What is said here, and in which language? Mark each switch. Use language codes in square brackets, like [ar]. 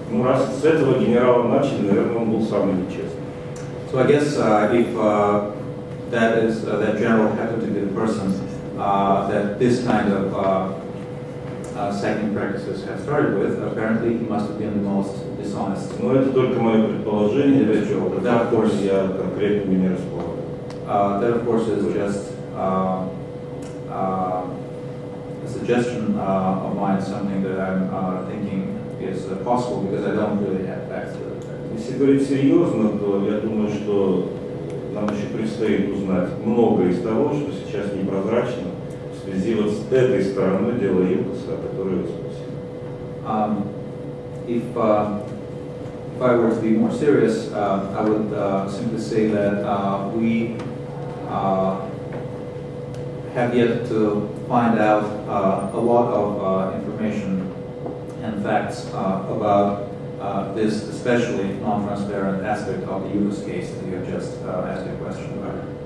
[ru] Ну раз с этого генерала начали, наверное, он был самый нечестный. [en] So I guess if that is that general happened to be the person that this kind of sacking practices have started with, apparently he must have been the most dishonest. [ru] Ну это только мое предположение, ничего. [en] But of course, [ru] я конкретно не располагаю. [en] That, of course, is just a suggestion of mine, something that I'm thinking is possible, because I don't really have facts to that. [ru] Если говорить серьезно, то я думаю, что нам еще предстоит узнать многое из того, что сейчас непрозрачно, в связи вот с этой стороной дела Yukos, о которой вы спросили. [en] If I were to be more serious, I would simply say that we have yet to find out a lot of information and facts about this especially non-transparent aspect of the Yukos case that you have just asked a question about.